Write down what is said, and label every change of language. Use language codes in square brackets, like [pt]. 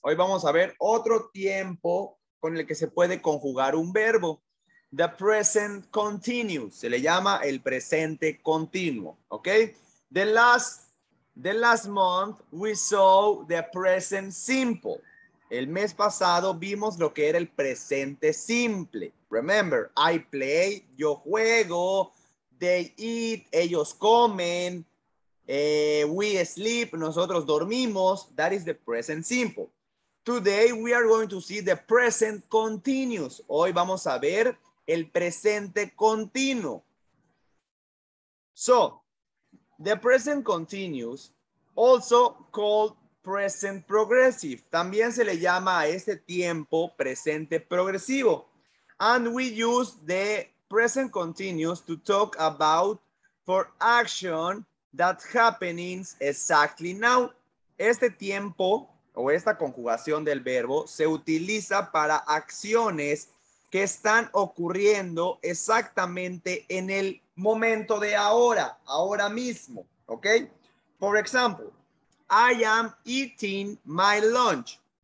[es] Hoy vamos a ver otro tiempo con el que se puede conjugar un verbo. [en] The present continuous. [es] Se le llama el presente continuo. [en] Okay, the last month we saw the present simple. [es] El mes pasado vimos lo que era el presente simple. [en] Remember, I play, [es] yo juego, [en] they eat, [es] ellos comen, [en] we sleep, [es] nosotros dormimos. [en] That is the present simple. Today we are going to see the present continuous. [es] Hoy vamos a ver el presente continuo. [en] So, the present continuous, also called present progressive. [es] También se le llama a este tiempo presente progresivo. [en] And we use the present continuous to talk about for action that happenings exactly now. [es] Este tiempo o esta conjugación del verbo se utiliza para acciones que están ocurriendo exactamente en el momento de ahora, ahora mismo. [en] Okay? For example, I am eating my lunch.